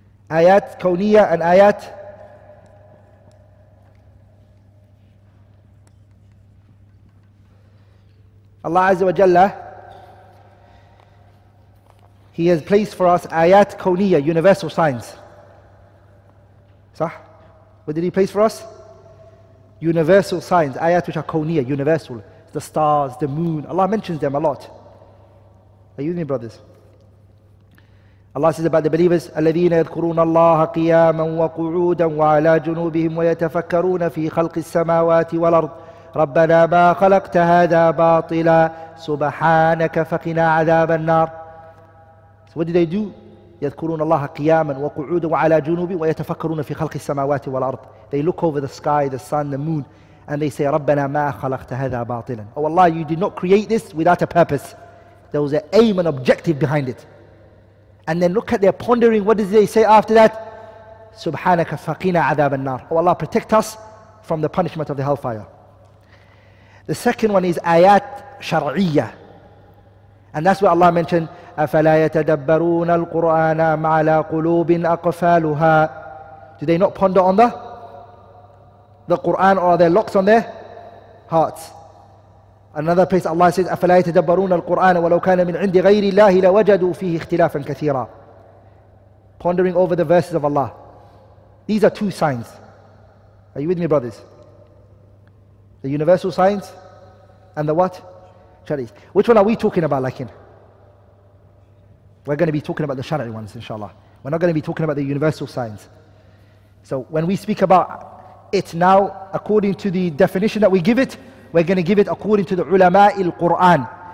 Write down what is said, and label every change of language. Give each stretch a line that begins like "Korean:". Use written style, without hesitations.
English: Ayat kawniya and ayat Allah Azza wa Jalla, He has placed for us ayat kawniya, universal signs. صح؟ What did he place for us? Universal signs, ayat which are kawniya, universal. The stars, the moon, Allah mentions them a lot. Are you with me, brothers? Allah says about the believers,
Arabic: الَّذِينَ يَذْكُرُونَ اللَّهَ قِيَامًا وَقُعُودًا وَعَلَىٰ جُنُوبِهِمْ وَيَتَفَكَّرُونَ فِي خَلْقِ السَّمَاوَاتِ وَالْأَرْضِ رَبَّنَا مَا خَلَقْتَ هَذَا بَاطِلًا سُبْحَانَكَ فَقِنَا عَذَابَ النَّارِ.
English: So what did they do?
Arabic: يذكرون الله قياما وقعودا وعلى جنوبي ويتفكرون في خلق السماوات والأرض.
English: They look over the sky, the sun, the moon, and they say,
Arabic: ربنا ما خلقت هذا باطلا.
English: Oh Allah, you did not create this without a purpose. There was an aim and objective behind it. And then look at their pondering. What did they say after that?
Arabic: سبحانك فقنا عذاب النار.
English: Oh Allah, protect us from the punishment of the hellfire. The second one is آيات شرعية. And that's where Allah mentioned,
Arabic: أَفَلَا يَتَدَبَّرُونَ الْقُرْآنَ مَعَلَىٰ قُلُوبٍ أَقْفَالُهَا.
English: Do they not ponder on the Qur'an, or are there locks on their hearts? Another place Allah says,
Arabic: أَفَلَا يَتَدَبَّرُونَ الْقُرْآنَ وَلَوْ كَانَ مِنْ عِنْدِ غَيْرِ اللَّهِ لَوَجَدُوا فِيهِ اخْتِلَافًا كَثِيرًا.
English: Pondering over the verses of Allah. These are two signs. Are you with me, brothers? The universal signs and the what? Shari'i. Which one are we talking about, like in? We're going to be talking about the shari'i ones, inshallah. We're not going to be talking about the universal signs. So when we speak about it now, according to the definition that we give it, we're going to give it according to the ulama'i al-Qur'an.